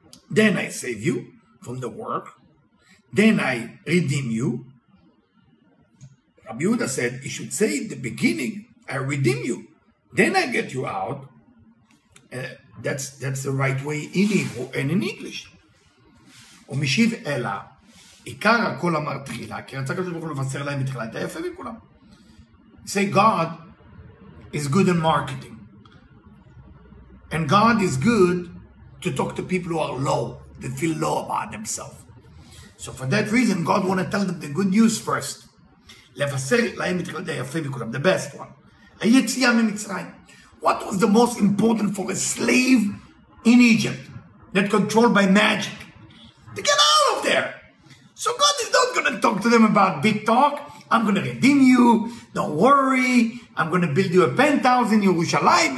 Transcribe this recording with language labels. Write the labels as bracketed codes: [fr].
[en] Then I save you from the work. Then I redeem you. Rabbi Yehuda said, he should say in the beginning, I redeem you. Then I get you out. That's the right way in Hebrew and in English. [he] ומשיב אלה, עיקר הכל אמר תחילה, כי רצה כזאת יכולו לבשר להם בתחילה, אתה יפה מכולם. [en] Say, God is good in marketing. And God is good to talk to people who are low, that feel low about themselves. So for that reason, God want to tell them the good news first. [he] לבשר להם בתחילה, אתה יפה מכולם, [en] the best one. [he] היציאה ממצרים. [en] What was the most important for a slave in Egypt that controlled by magic? To get out of there. So God is not going to talk to them about big talk. I'm going to redeem you. Don't worry. I'm going to build you a penthouse in Jerusalem.